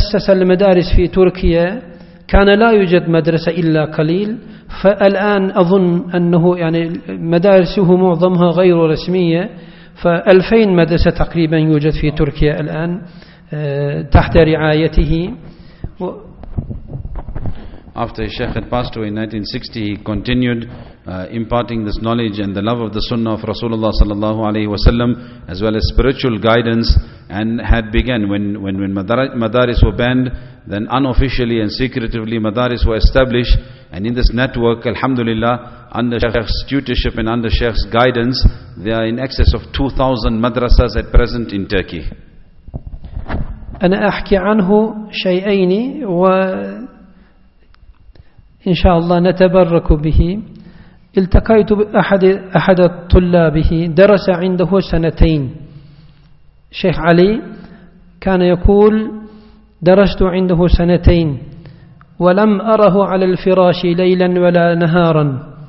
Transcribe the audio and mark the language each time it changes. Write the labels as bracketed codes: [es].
[ar] المدارس في تركيا كان لا يوجد مدرسة إلا قليل فالآن أظن أنه يعني مدارسه معظمها غير رسمية فألفين مدرسة تقريبا يوجد في تركيا الآن تحت رعايته. [en] After his Sheikh had passed away in 1960, he continued imparting this knowledge and the love of the Sunnah of Rasulullah sallallahu alaihi wasallam, as well as spiritual guidance, and had begun when madaris were banned, then unofficially and secretively madaris were established, and in this network, alhamdulillah, under Sheikh's tutorship and under Sheikh's guidance, there are in excess of 2,000 madrasas at present in Turkey. [ar] أنا أحكي عنه شيئين وإن شاء الله نتبرك به. التقيت بأحد طلابه درس عنده سنتين. شيخ علي كان يقول درست عنده سنتين ولم أره على الفراش ليلا ولا نهارا.